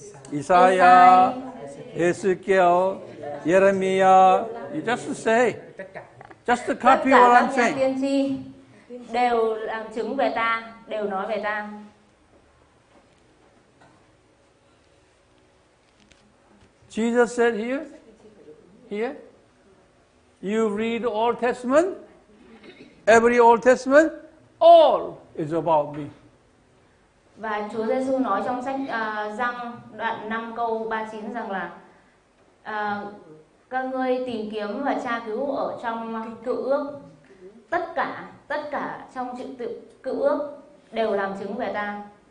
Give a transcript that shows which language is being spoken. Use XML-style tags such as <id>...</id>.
<en>Isaiah, Ezekiel, Jeremiah, you just to say, just to copy what I'm saying.</en> <vi>Tiên tri đều làm chứng về ta, đều nói về ta.</vi> <en>Jesus said here, you read the Old Testament, every Old Testament, all is about me.</en> <vi>Và Chúa Giê-xu nói trong sách Giăng đoạn 5 câu 39 rằng là các ngươi tìm kiếm và tra cứu ở trong Cựu Ước, tất cả trong chữ Cựu Ước đều làm chứng về ta.</vi>